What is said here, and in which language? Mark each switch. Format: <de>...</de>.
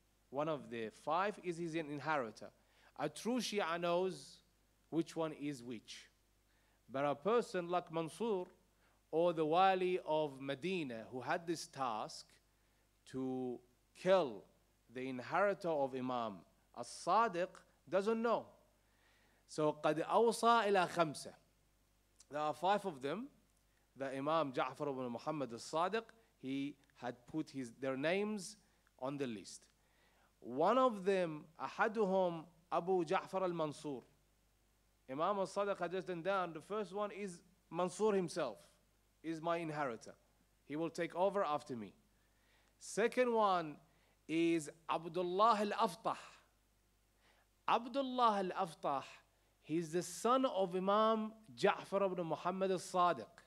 <en>One of the five is his inheritor. A true Shia knows which one is which. But a person like Mansur or the Wali of Medina, who had this task to kill the inheritor of Imam As-Sadiq, doesn't know.</en> <ar>So قَدْ أَوْصَى إِلَىٰ خَمْسَةٍ.</ar> <en>There are five of them. The Imam Ja'far ibn Muhammad As-Sadiq, he had put their names on the list. One of them,</en> <ar>أَحَدُهُمْ أَبُو جَعْفَرَ الْمَنْصُورِ.</ar> <en>Imam al-Sadiq had just done down. The first one is Mansur himself, is my inheritor. He will take over after me. Second one is Abdullah al-Aftah. Abdullah al-Aftah, he's the son of Imam Ja'far ibn Muhammad al-Sadiq.</en>